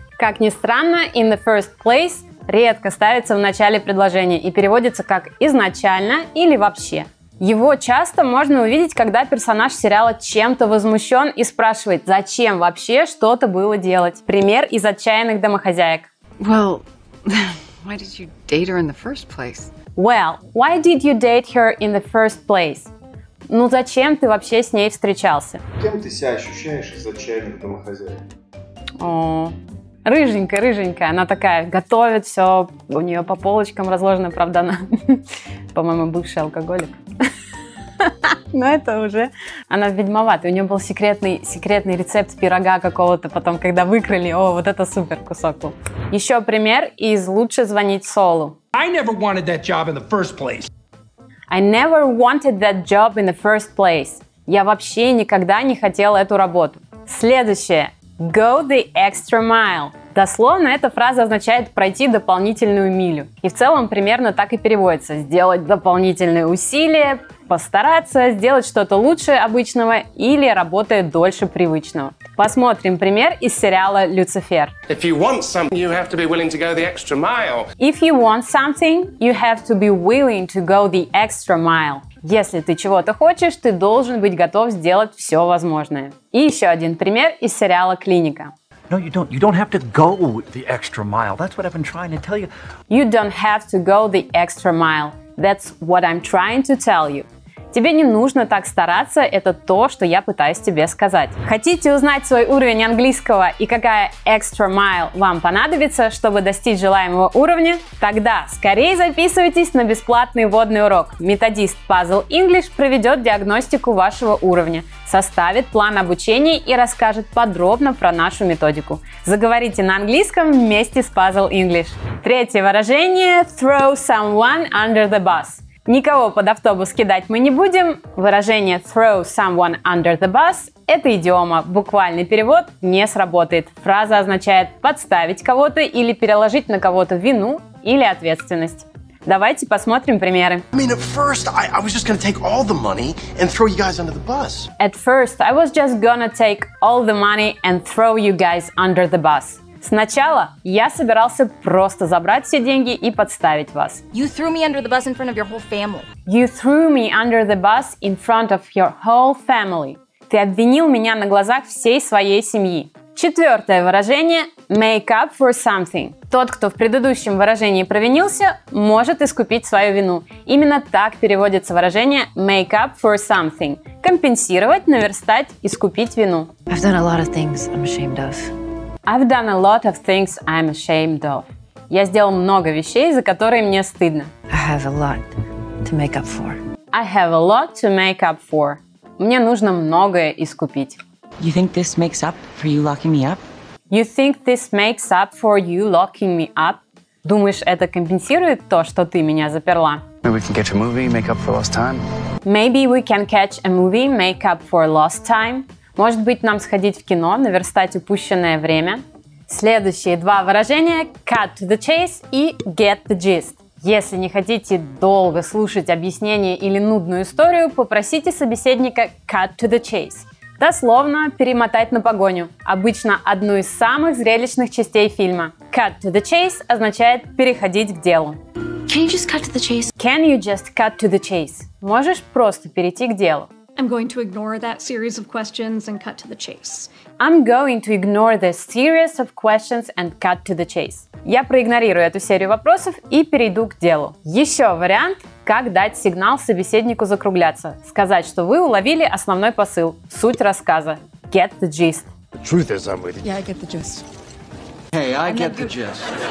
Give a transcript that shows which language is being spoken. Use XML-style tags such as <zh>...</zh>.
<ru>Как ни странно,</ru> <en>in the first place</en> <ru>редко ставится в начале предложения и переводится как изначально или вообще. Его часто можно увидеть, когда персонаж сериала чем-то возмущен и спрашивает, зачем вообще что-то было делать. Пример из «Отчаянных домохозяек».</ru> <en>Well, why did you date her in the first place? Well, why did you date her in the first place?</en> <ru>Ну зачем ты вообще с ней встречался? Кем ты себя ощущаешь из «Отчаянных домохозяек»? О, рыженькая, она такая, готовит все, у нее по полочкам разложено, правда, она, по-моему, бывший алкоголик. Но это уже... Она ведьмоватая. У нее был секретный рецепт пирога какого-то потом, когда выкрали. О, вот это супер кусок был. Еще пример из «Лучше звонить Солу».</ru> <en>I never wanted that job in the first place. I never wanted that job in the first place.</en> <ru>Я вообще никогда не хотел эту работу. Следующее.</ru> <en>Go the extra mile.</en> <ru>Дословно эта фраза означает пройти дополнительную милю. И в целом примерно так и переводится. Сделать дополнительные усилия, постараться, сделать что-то лучше обычного или работать дольше привычного. Посмотрим пример из сериала «Люцифер».</ru> <en>If you want something, you have to be willing to go the extra mile. If you want something, you have to be willing to go the extra mile.</en> <ru>Если ты чего-то хочешь, ты должен быть готов сделать все возможное. И еще один пример из сериала «Клиника».</ru> <en>No, you don't have to go the extra mile. That's what I've been trying to tell you. You don't have to go the extra mile. That's what I'm trying to tell you.</en> <ru>Тебе не нужно так стараться, это то, что я пытаюсь тебе сказать. Хотите узнать свой уровень английского и какая extra mile вам понадобится, чтобы достичь желаемого уровня? Тогда скорее записывайтесь на бесплатный вводный урок. Методист Puzzle English проведет диагностику вашего уровня, составит план обучения и расскажет подробно про нашу методику. Заговорите на английском вместе с Puzzle English. Третье выражение –</ru> <en>throw someone under the bus.</en> <ru>Никого под автобус кидать мы не будем. Выражение</ru> <en>throw someone under the bus</en> <ru>– это идиома. Буквальный перевод не сработает. Фраза означает подставить кого-то или переложить на кого-то вину или ответственность. Давайте посмотрим примеры.</ru> <en>I mean, at first I was just gonna take all the money and throw you guys under the bus. At first I was just gonna take all the money and throw you guys under the bus.</en> <ru>Сначала я собирался просто забрать все деньги и подставить вас.</ru> <en>You threw me under the bus in front of your whole family. You threw me under the bus in front of your whole family.</en> <ru>Ты обвинил меня на глазах всей своей семьи. Четвертое выражение –</ru> <en>make up for something.</en> <ru>Тот, кто в предыдущем выражении провинился, может искупить свою вину. Именно так переводится выражение</ru> <en>make up for something.</en> <ru>Компенсировать, наверстать, искупить вину.</ru> <en>I've done a lot of things I'm ashamed of. I've done a lot of things I'm ashamed of.</en> <ru>Я сделал много вещей, за которые мне стыдно.</ru> <en>I have a lot to make up for. I have a lot to make up for.</en> <ru>Мне нужно многое искупить.</ru> <en>You think this makes up for you locking me up? You think this makes up for you locking me up?</en> <ru>Думаешь, это компенсирует то, что ты меня заперла?</ru> <en>Maybe we can catch a movie, make up for lost time. Maybe we can catch a movie, make up for lost time.</en> <ru>Может быть, нам сходить в кино, наверстать упущенное время? Следующие два выражения –</ru> <en>cut to the chase</en> <ru>и</ru> <en>get the gist.</en> <ru>Если не хотите долго слушать объяснение или нудную историю, попросите собеседника</ru> <en>cut to the chase.</en> <ru>Дословно – перемотать на погоню. Обычно одну из самых зрелищных частей фильма.</ru> <en>Cut to the chase</en> <ru>означает переходить к делу.</ru> <en>Can you just cut to the chase? Can you just cut to the chase?</en> <ru>Можешь просто перейти к делу.</ru> <en>I'm going to ignore that series of questions and cut to the chase. I'm going to ignore the series of questions and cut to the chase.</en> <ru>Я проигнорирую эту серию вопросов и перейду к делу. Еще вариант, как дать сигнал собеседнику закругляться. Сказать, что вы уловили основной посыл, суть рассказа.</ru> <en>Get the gist. The truth is, I'm with you. Yeah, I get the gist. Hey, I get the gist.</en>